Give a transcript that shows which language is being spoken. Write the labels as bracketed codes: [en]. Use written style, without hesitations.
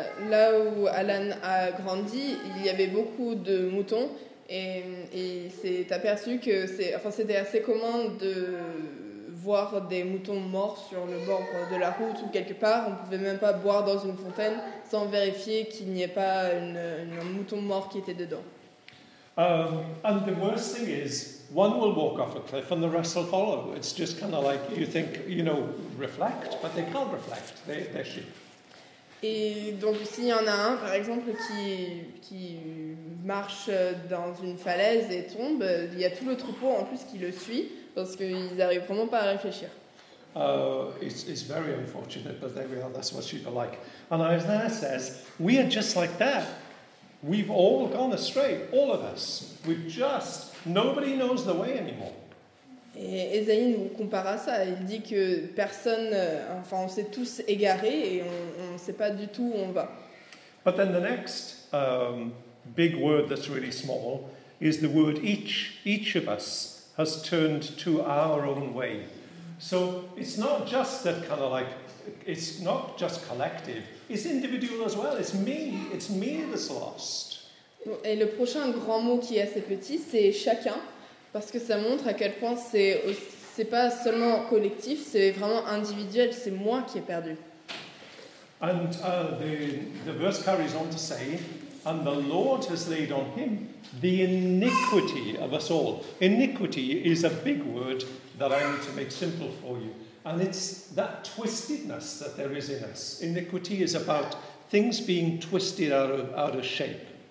[fr] Là où Alan a grandi, il y avait beaucoup de moutons et il s'est aperçu que c'était assez commun de voir des moutons morts sur le bord de la route ou quelque part. On pouvait même pas boire dans une fontaine sans vérifier qu'il n'y ait pas un mouton mort qui était dedans. [en] And the worst thing is, one will walk off a cliff and the rest will follow. It's just kind of like you think, you know, reflect, but they can't reflect. They're sheep. [fr] Et donc s'il y en a un, par exemple, qui marche dans une falaise et tombe, il y a tout le troupeau en plus qui le suit parce qu'ils n'arrivent vraiment pas à réfléchir. [en] It's very unfortunate, but there we are. That's what sheep are like. And Isaiah says, we are just like that. We've all gone astray, all of us. Nobody knows the way anymore. [fr] Et Ésaïe nous compare à ça. Il dit que on s'est tous égarés et on ne sait pas du tout où on va. [en] But then the next big word that's really small is the word each of us has turned to our own way. So it's not just that kind of like, it's not just collective, it's individual as well. It's me that's lost. [fr] Et le prochain grand mot qui est assez petit, c'est chacun, parce que ça montre à quel point c'est pas seulement collectif, c'est vraiment individuel, c'est moi qui ai perdu. [en] And the verse carries on to say, and the Lord has laid on him the iniquity of us all. Iniquity is a big word that I need to make simple for you. And it's that twistedness that there is in us. Iniquity is about things being twisted out of shape.